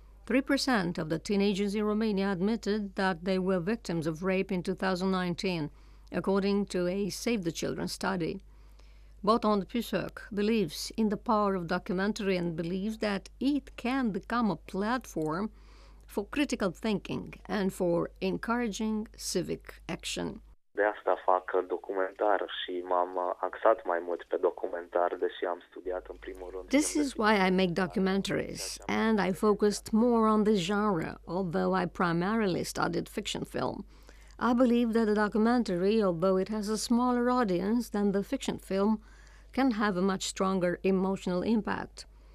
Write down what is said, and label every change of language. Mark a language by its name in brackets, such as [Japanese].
[English] 3% of the teenagers in Romania admitted that they were victims of rape in 2019, according to a Save the Children study. Botond Pusek believes in the power of documentary and believes that it can become a platform for critical thinking and for encouraging civic action. [Romanian] De asta fac documentar și m-am axat mai mult pe documentar, deși am studiat în primul rând. [English] This is why I make documentaries, and I focused more on this genre, although I primarily studied fiction film. I believe that a documentary, although it has a smaller audience than the fiction film, can have a much stronger emotional impact.